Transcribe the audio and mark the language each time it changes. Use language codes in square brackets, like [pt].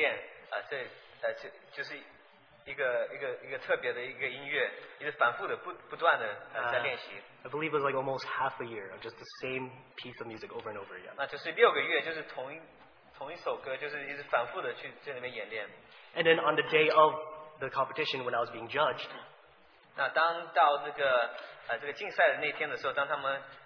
[zh] 我就反复的，就是一直在演练，这就是。一个特别的一个音乐，一直反复的不断的在练习。 [en] I believe it was like almost half a year of just the same piece of music over and over again. [zh] 那就是六个月，就是同一首歌，就是一直反复的去在那边演练。 [en] And then on the day of the competition, when I was being judged, [zh] 那当到这个竞赛的那天的时候，当他们